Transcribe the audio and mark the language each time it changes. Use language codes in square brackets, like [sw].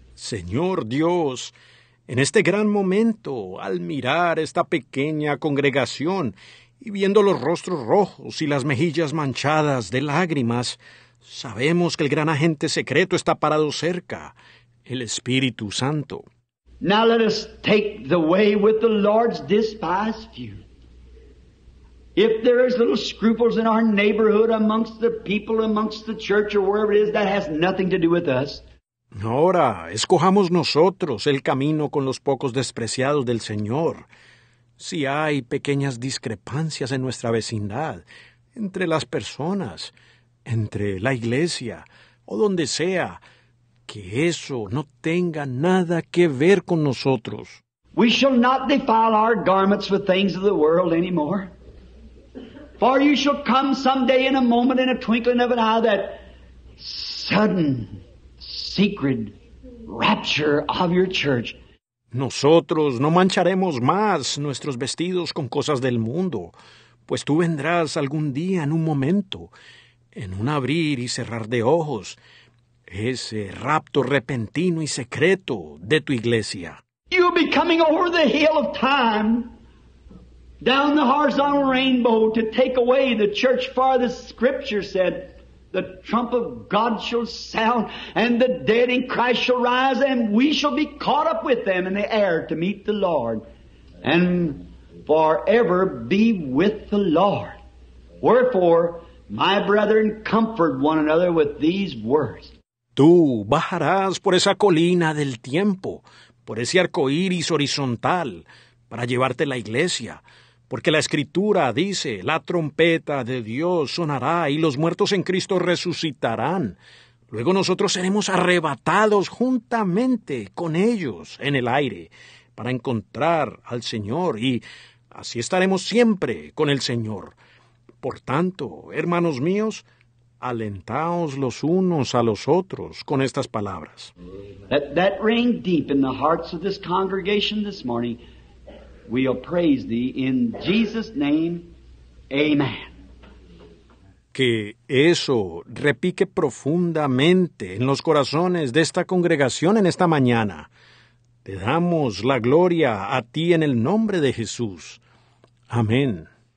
[es] Señor Dios, en este gran momento, al mirar esta pequeña congregación y viendo los rostros rojos y las mejillas manchadas de lágrimas, sabemos que el gran agente secreto está parado cerca, el Espíritu Santo. [en] Now let us take the way with the Lord's despised few. If there is little scruples in our neighborhood amongst the people, amongst the church, or wherever it is, that has nothing to do with us. [es] Ahora, escojamos nosotros el camino con los pocos despreciados del Señor. Si hay pequeñas discrepancias en nuestra vecindad, entre las personas, entre la iglesia, o donde sea, que eso no tenga nada que ver con nosotros. [en] We shall not defile our garments with things of the world anymore. For you shall come someday in a moment, in a twinkling of an eye, that sudden, secret rapture of your church. [es] Nosotros no mancharemos más nuestros vestidos con cosas del mundo, pues tú vendrás algún día en un momento, en un abrir y cerrar de ojos, ese rapto repentino y secreto de tu iglesia. [en] You'll be coming over the hill of time, down the horizontal rainbow, to take away the church far. The scripture said, the trump of God shall sound, and the dead in Christ shall rise, and we shall be caught up with them in the air to meet the Lord, and forever be with the Lord. Wherefore, my brethren, comfort one another with these words. [es] Tú bajarás por esa colina del tiempo, por ese arco iris horizontal, para llevarte la iglesia. Porque la Escritura dice, la trompeta de Dios sonará y los muertos en Cristo resucitarán. Luego nosotros seremos arrebatados juntamente con ellos en el aire para encontrar al Señor. Y así estaremos siempre con el Señor. Por tanto, hermanos míos, alentaos los unos a los otros con estas palabras. [en] That rang deep in the hearts of this congregation this morning. We'll praise thee in Jesus' name. Amen. [es] Que eso repique profundamente en los corazones de esta congregación en esta mañana. Te damos la gloria a ti en el nombre de Jesús. Amén.